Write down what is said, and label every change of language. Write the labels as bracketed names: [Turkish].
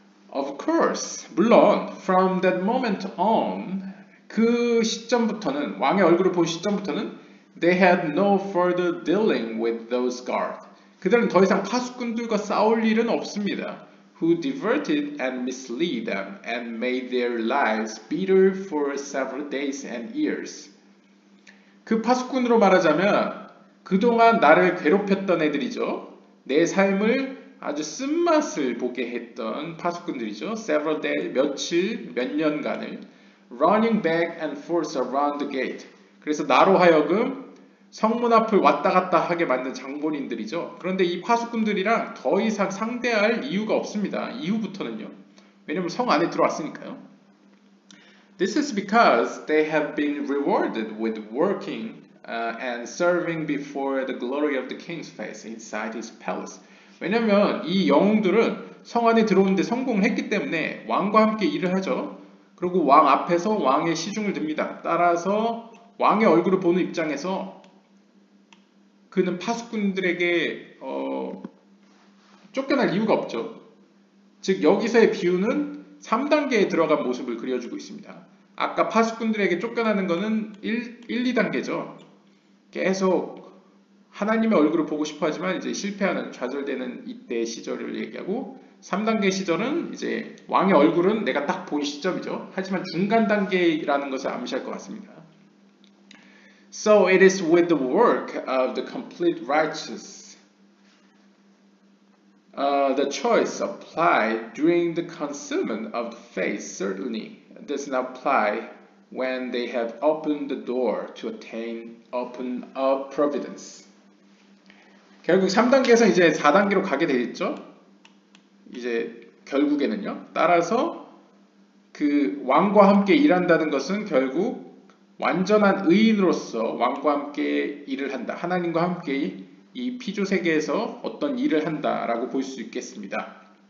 [English] Of course, [Korean] 물론 [English] from that moment on, [Korean] 그 시점부터는 왕의 얼굴을 본 시점부터는 [English] they had no further dealing with those guards. [Korean] 그들은 더 이상 파수꾼들과 싸울 일은 없습니다. [English] Who diverted and mislead them and made their lives bitter for several days and years. [Korean] 그 파수꾼으로 말하자면 그동안 나를 괴롭혔던 애들이죠. 내 삶을 아주 쓴맛을 보게 했던 파수꾼들이죠. [English] Several days, [Korean] 며칠, 몇 년간을 [English] running back and forth around the gate. [Korean] 그래서 나로 하여금 성문 앞을 왔다 갔다 하게 만든 장본인들이죠. 그런데 이 파수꾼들이랑 더 이상 상대할 이유가 없습니다. 이후부터는요. 왜냐면 성 안에 들어왔으니까요. [English] This is because they have been rewarded with working and serving before the glory of the king's face inside his palace. [Korean] 왜냐면 이 영웅들은 성 안에 들어오는데 성공을 했기 때문에 왕과 함께 일을 하죠. 그리고 왕 앞에서 왕의 시중을 듭니다. 따라서 왕의 얼굴을 보는 입장에서 그는 파수꾼들에게 쫓겨날 이유가 없죠. 즉 여기서의 비유는 3단계에 들어간 모습을 그려주고 있습니다. 아까 파수꾼들에게 쫓겨나는 것은 1, 2단계죠. 계속 하나님의 얼굴을 보고 싶어 하지만 이제 실패하는, 좌절되는 이때 시절을 얘기하고 3단계 시절은 이제 왕의 얼굴은 내가 딱 본 시점이죠. 하지만 중간 단계라는 것을 암시할 것 같습니다. [English] So it is with the work of the complete righteous. The choice applied during the concealment of the face certainly does not apply when they have opened the door to attain open up providence. [Korean] 결국 3단계에서 이제 4단계로 가게 되겠죠. 이제 결국에는요. 따라서 그 왕과 함께 일한다는 것은 결국 완전한 의인으로서 왕과 함께 일을 한다. 하나님과 함께 이 피조세계에서 어떤 일을 한다라고 볼 수 있겠습니다.